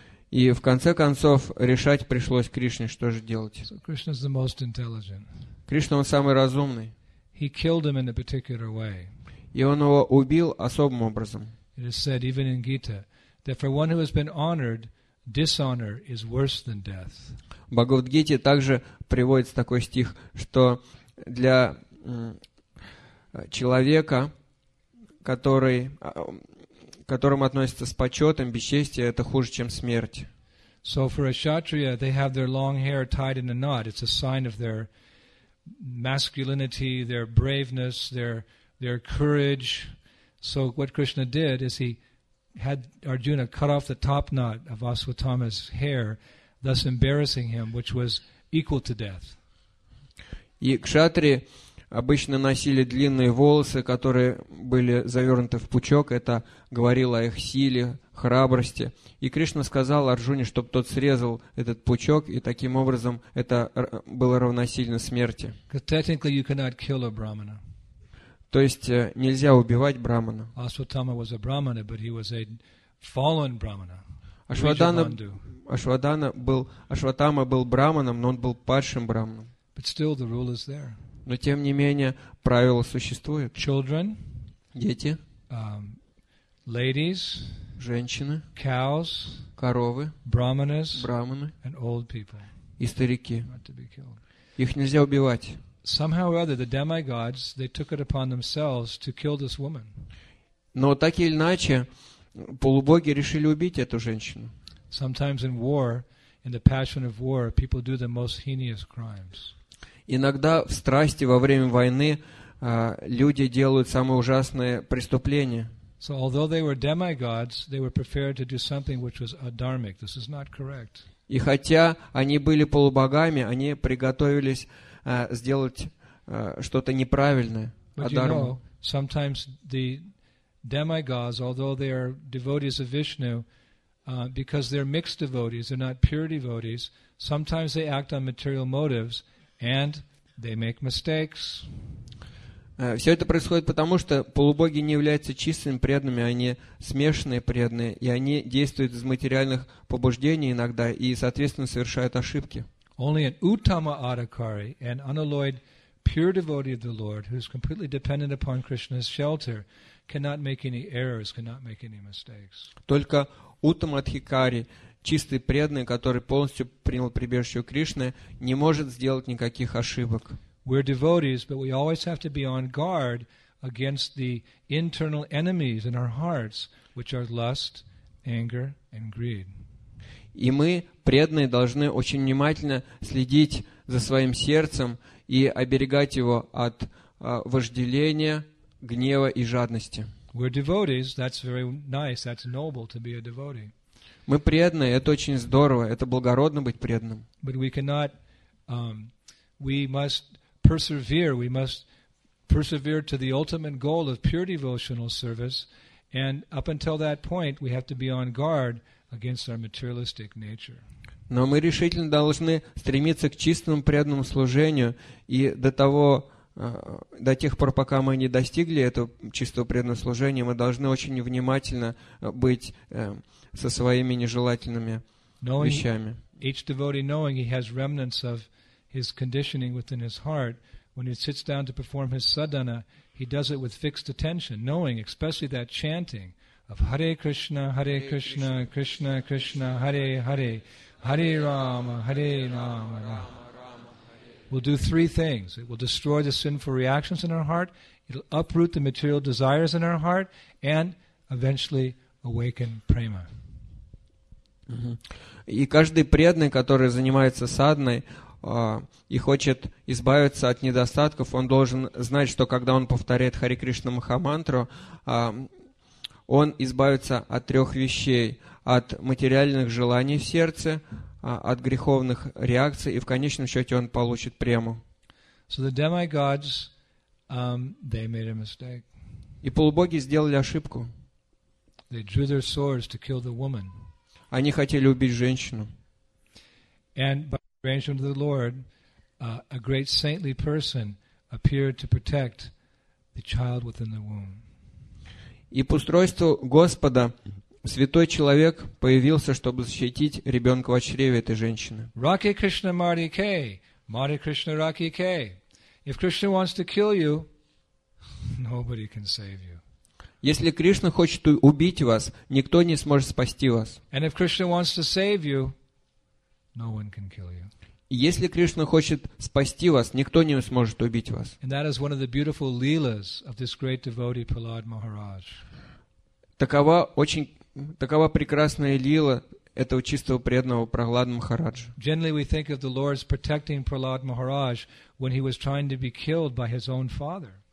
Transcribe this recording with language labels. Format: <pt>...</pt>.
<ru>И в конце концов решать пришлось Кришне, что же делать.</ru> <en>So Krishna is the most intelligent.</en> <ru>Кришна он самый разумный.</ru> <en>He killed him in a particular way.</en> <ru>И он его убил особым образом.</ru> <en>It is said even in Gita that for one who has been honored, dishonor is worse than death.</en> <ru>Бхагавад-гите также приводится такой стих, что для человека, которым относится с почетом, бесчестие, это хуже, чем смерть.</ru> <en>So for a kshatriya, they have their long hair tied in a knot. It's a sign of their masculinity, their braveness, their courage. So what Krishna did is he had Arjuna cut off the top knot of Aswatthama's hair, thus embarrassing him, which was equal to death.</en> <ru>И кшатри обычно носили длинные волосы, которые были завернуты в пучок. Это говорило о их силе, храбрости. И Кришна сказал Арджуне, чтобы тот срезал этот пучок, и таким образом это было равносильно смерти.</ru> <en>Technically you cannot kill a brahmana.</en> <ru>То есть нельзя убивать брахмана.</ru> <en>Асватама was a brahmana, but he was a fallen brahmana.</en> <ru>Ашватама был брахманом, но он был падшим брахманом.</ru> <en>But still the rule is there.</en> <ru>Но тем не менее правило существует.</ru> <en>Children,</en> <ru>дети,</ru> <en>ladies,</en> <ru>женщины,</ru> <en>cows,</en> <ru>коровы,</ru> <en>brahmanas,</en> <ru>брахманы,</ru> <en>and old people.</en> <ru>И старики.</ru> <en>Not to be killed.</en> <ru>Их нельзя убивать.</ru> <en>Somehow or other, the demigods they took it upon themselves to kill this woman.</en> <ru>Но так или иначе полубоги решили убить эту женщину.</ru> <en>Sometimes in war, in the passion of war, people do the most heinous crimes.</en> <ru>Иногда в страсти во время войны люди делают самые ужасные преступления.</ru> <en>So although they were demigods, they were prepared to do something which was adharmic. This is not correct.</en> <ru>И хотя они были полубогами, они приготовились сделать что-то неправильное, адхарму.</ru> <en>But you know, sometimes the demigods, although they are devotees of Vishnu, because they're mixed devotees, they're not pure devotees, sometimes they act on material motives and they make mistakes.</en> <ru>Все это происходит потому, что полубоги не являются чистыми преданными, они смешанные преданные, и они действуют из материальных побуждений иногда и, соответственно, совершают ошибки.</ru> <en>Only an uttama adhikari, an unalloyed pure devotee of the Lord, who is completely dependent upon Krishna's shelter, cannot make any errors, cannot make any mistakes.</en> <ru>Только уттама адхикари, чистый преданный, который полностью принял прибежище у Кришны, не может сделать никаких ошибок.</ru> <en>We're devotees, but we always have to be on guard against the internal enemies in our hearts, which are lust, anger, and greed.</en> <ru>И мы, преданные, должны очень внимательно следить за своим сердцем и оберегать его от вожделения, гнева и жадности.</ru> <en>We're devotees. That's very nice. That's noble to be a devotee.</en> <ru>Мы преданные. Это очень здорово. Это благородно быть преданным.</ru> <en>But we cannot, we must persevere. We must persevere to the ultimate goal of pure devotional service. And up until that point, we have to be on guard against our materialistic nature.</en> <ru>Но мы решительно должны стремиться к чистому преданному служению, и до тех пор, пока мы не достигли этого чистого преданного служения, мы должны очень внимательно быть со своими нежелательными вещами.</ru> <en>Each devotee knowing he has remnants of his conditioning within his heart, when he sits down to perform his sadhana, he does it with fixed attention, knowing, especially that chanting, of Hare Krishna, Hare Krishna, Krishna Krishna, Hare Hare, Hare Rama, Hare Rama, will do three things. It will destroy the sinful reactions in our heart, it'll uproot the material desires in our heart, and eventually awaken prema.</en> <ru>И каждый преданный, который занимается садхной и хочет избавиться от недостатков, он должен знать, что когда он повторяет Хари Кришна Махамантру, он избавится от трех вещей: от материальных желаний в сердце, от греховных реакций, и в конечном счете он получит прему.</ru> <en>So the demigods, they made a mistake.</en> <ru>И полубоги сделали ошибку.</ru> <en>They drew their swords to kill the woman.</en> <ru>Они хотели убить женщину.</ru> <en>And by the arrangement of the Lord, a great saintly person appeared to protect the child within the womb.</en> <ru>И по устройству Господа святой человек появился, чтобы защитить ребенка в чреве этой женщины.</ru> <bn>Раки Кришна Мари Кей, Мари Кришна Раки Кей.</bn> <en>If Krishna wants to kill you, nobody can save you.</en> <ru>Если Кришна хочет убить вас, никто не сможет спасти вас.</ru> <en>And if Krishna wants to save you, no one can kill you.</en> <ru>Если Кришна хочет спасти вас, никто не сможет убить вас.</ru> <en>And that is one of the beautiful leelas of this great devotee Prahlad Maharaj.</en> <ru>Такова прекрасная лила этого чистого преданного Прахлад Махараджа.</ru> <en>Generally we think of the Lord protecting Prahlad Maharaj when he was trying to be killed by his own father.</en>